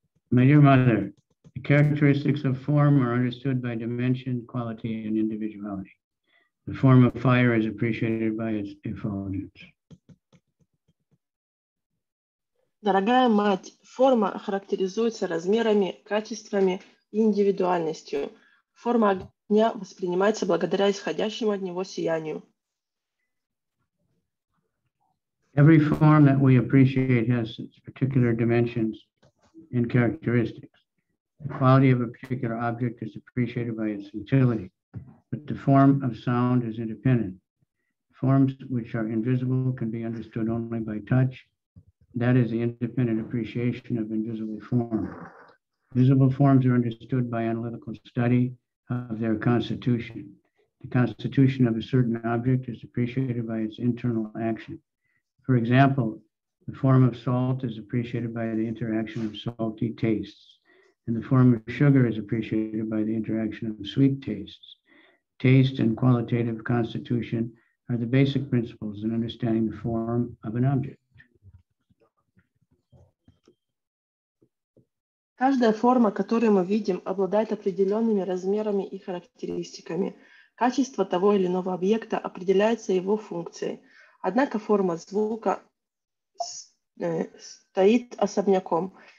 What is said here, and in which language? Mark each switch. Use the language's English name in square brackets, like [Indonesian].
[English] My dear mother, the characteristics of form are understood by dimension, quality, and individuality. The form of fire is appreciated by its effulgence. [Russian] Дорогая мать, форма характеризуется размерами, качествами и индивидуальностью. Форма огня воспринимается благодаря исходящему от него сиянию. [English] Every form that we appreciate has its particular dimensions and characteristics. The quality of a particular object is appreciated by its utility, but the form of sound is independent. Forms which are invisible can be understood only by touch. That is the independent appreciation of invisible form. Visible forms are understood by analytical study of their constitution. The constitution of a certain object is appreciated by its internal action. For example, the form of salt is appreciated by the interaction of salty tastes, and the form of sugar is appreciated by the interaction of sweet tastes. Taste and qualitative constitution are the basic principles in understanding the form of an object. [Russian] Каждая форма, которую мы видим, обладает определенными размерами и характеристиками. Качество того или иного объекта определяется его функцией. Однако форма звука стоит особняком.